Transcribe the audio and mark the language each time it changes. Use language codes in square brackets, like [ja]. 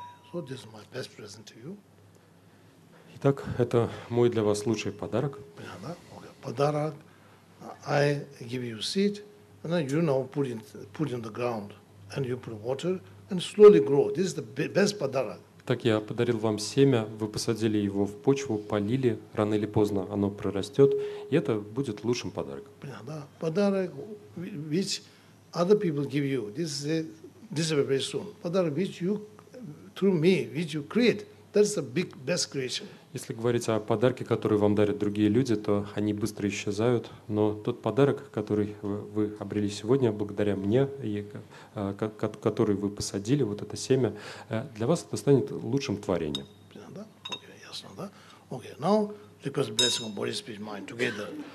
[en] So this is my best present to you. [ru] Итак, это мой для вас лучший подарок. Подарок. [en] I give you seed, and then you now put in the ground, and you put water, and slowly grow. This is the best [ru] подарок. Так я подарил вам семя, вы посадили его в почву, полили, рано или поздно оно прорастет, и это будет лучшим подарком. Да, подарок, [en] which other people give you, this is very soon. [ru] Подарок, [en] which you through me, which you create, that's the big best creation. [ru] Если говорить о подарке, который вам дарят другие люди, то они быстро исчезают. Но тот подарок, который вы обрели сегодня благодаря мне, и который вы посадили, вот это семя, для вас это станет лучшим творением. Да? [en] Okay, [ru] ясно, да? [en] Okay, now, request blessing of body, speech, mind together.